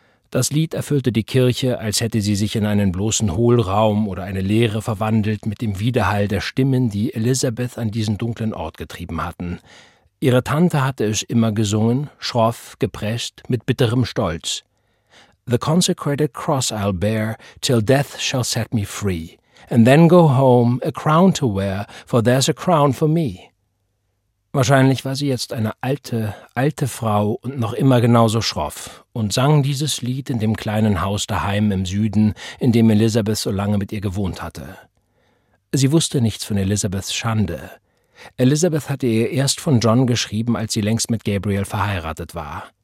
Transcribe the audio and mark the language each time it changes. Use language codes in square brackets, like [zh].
[de] Das Lied erfüllte die Kirche, als hätte sie sich in einen bloßen Hohlraum oder eine Leere verwandelt mit dem Widerhall der Stimmen, die Elisabeth an diesen dunklen Ort getrieben hatten. Ihre Tante hatte es immer gesungen, schroff, gepresst, mit bitterem Stolz. [en] »The consecrated cross I'll bear, till death shall set me free.« And then go home, a crown to wear, for there's a crown for me. [de] Wahrscheinlich war sie jetzt eine alte, alte Frau und noch immer genauso schroff und sang dieses Lied in dem kleinen Haus daheim im Süden, in dem Elisabeth so lange mit ihr gewohnt hatte. Sie wusste nichts von Elisabeths Schande. Elisabeth hatte ihr erst von John geschrieben, als sie längst mit Gabriel verheiratet war.